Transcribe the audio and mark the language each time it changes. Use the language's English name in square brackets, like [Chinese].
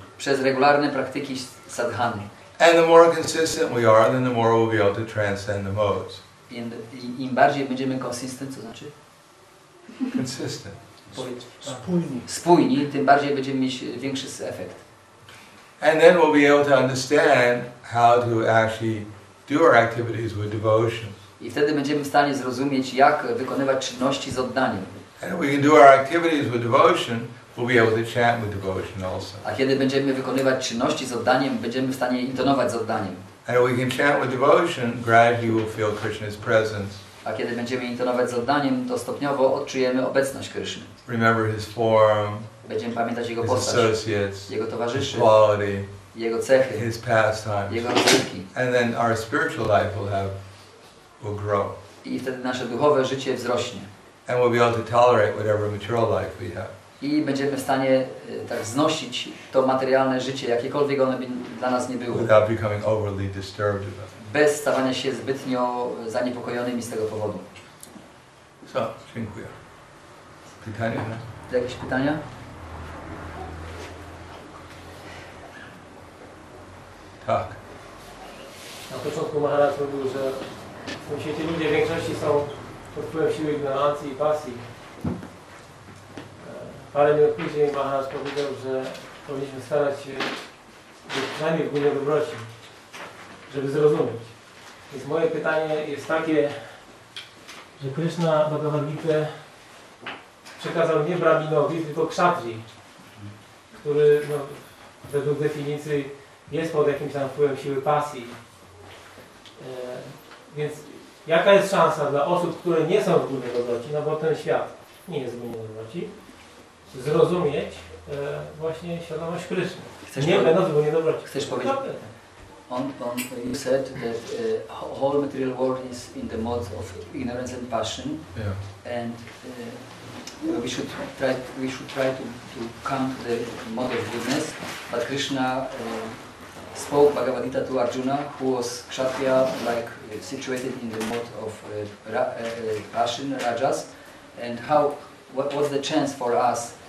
[Polish] Przez regularne praktyki sadhany. [English] And the more consistent we are, then the more we'll be able to transcend the modes. [Polish] Im bardziej będziemy konsistent, co znaczy? [English] Consistent. [Polish] Spójni, tym bardziej będziemy mieć większy efekt. [English] And then we'll be able to understand how to actually do our activities with devotion. [Polish] I wtedy będziemy w stanie zrozumieć, jak wykonywać czynności z oddaniem. [English] And if we can do our activities with devotion, we'll be able to chant with devotion also. [Polish] A kiedy będziemy wykonywać czynności z oddaniem, będziemy w stanie intonować z oddaniem. [English] And if we can chant with devotion, gradually we'll feel Krishna's presence. [Polish] A kiedy będziemy intonować z oddaniem, to stopniowo odczujemy obecność Krishna. [English] Remember his form. [Polish] Będziemy pamiętać jego [English] his [Polish] postać, [English] associates, [Polish] jego towarzyszy, [English] his quality, [Polish] jego cechy, [English] his pastimes, [Polish] jego rozrywki. [English] And then our spiritual life will grow. [Polish] I wtedy nasze duchowe życie wzrośnie. [English] And we'll be able to tolerate whatever material life we have. [Polish] I będziemy w stanie tak znosić to materialne życie, jakiekolwiek ono by dla nas nie było. [English] Without becoming overly disturbed about it. [Polish] Bez stawania się zbytnio zaniepokojonymi z tego powodu. So, dziękuję. Pytania? Jakieś pytania? Tak. Na początku Maharaj mówił, że w tym świecie ludzie w większości są pod wpływem siły ignorancji i pasji. Parę minut później Maharaj powiedział, że powinniśmy starać się być przynajmniej w gminie dobroci, żeby zrozumieć. Więc moje pytanie jest takie, że Krishna Bhagavad Gita przekazał nie brahminowi, tylko kshatri, który według definicji jest pod jakimś tam wpływem siły pasji. Więc jaka jest szansa dla osób, które nie są w gminie dobroci, no bo ten świat nie jest w gminie dobroci, zrozumieć właśnie świadomość Krishna. Będąc w gminie dobroci. Chcesz powiedzieć? [English] On you said that whole material world is in the mode of ignorance and passion. Yeah. And we should try to come to the mode of goodness, but Krishna spoke Bhagavad Gita to Arjuna, who was kshatriya, like situated in the mode of passion, rajas. And what was the chance for us